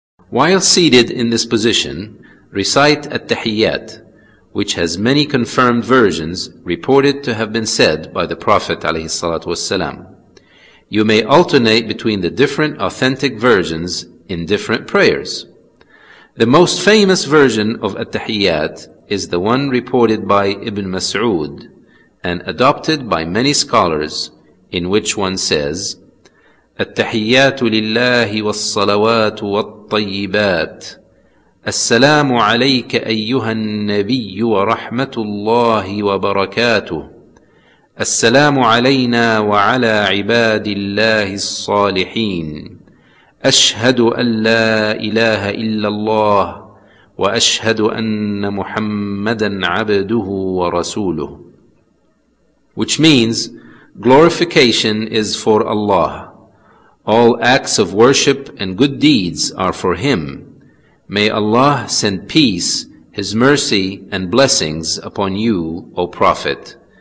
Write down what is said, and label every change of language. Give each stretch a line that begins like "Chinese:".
English: While seated in this position, recite at-tahiyyat, which has many confirmed versions reported to have been said by the Prophet ﷺ. You may alternate between the different authentic versions in different prayers. The most famous version of at-tahiyyat is the one reported by Ibn Mas'ud and adopted by many scholars, in which one says,
Arabic: التحيات لله والصلوات والطيبات السلام عليك أيها النبي ورحمة الله وبركاته السلام علينا وعلى عباد الله الصالحين أشهد أن لا إله إلا الله وأشهد أن محمدا عبده ورسوله.
English: Which means, glorification is for Allah. All acts of worship and good deeds are for Him. May Allah send peace, His mercy, and blessings upon you, O Prophet.